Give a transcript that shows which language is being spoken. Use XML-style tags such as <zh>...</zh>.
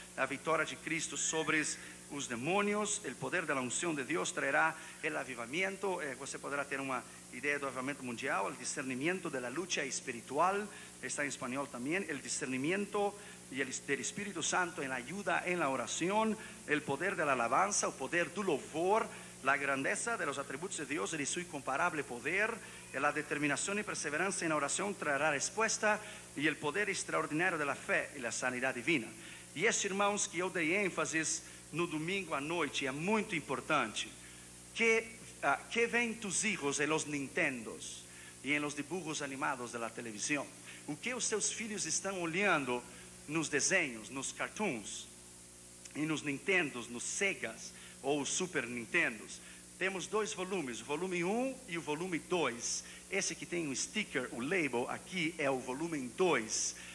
<pt>A vitória de Cristo sobre os demônios. O poder da unção de Deus trará o avivamento. Você poderá ter uma ideia do avivamento mundial. O discernimento da luta espiritual. Está em espanhol também. O discernimento e do Espírito Santo em ajuda em la oração. O poder da alabança. O poder do louvor.</pt> <es>La grandeza de los atributos de Dios y su incomparable poder, la determinación y perseverancia en la oración traerá respuesta y el poder extraordinario de la fe y la sanidad divina. Y es,</es> <pt>irmãos, que yo dei ênfase no domingo à noite, é muito importante.</pt> <es>Que ven tus hijos en los Nintendos y en los dibujos animados de la televisión?</es> <pt>O que os seus filhos estão olhando nos desenhos, nos cartoons, e nos Nintendos, nos Segas ou Super Nintendos? Temos dois volumes, o volume 1 e o volume 2. Esse que tem um sticker, o label aqui, é o volume 2.</pt>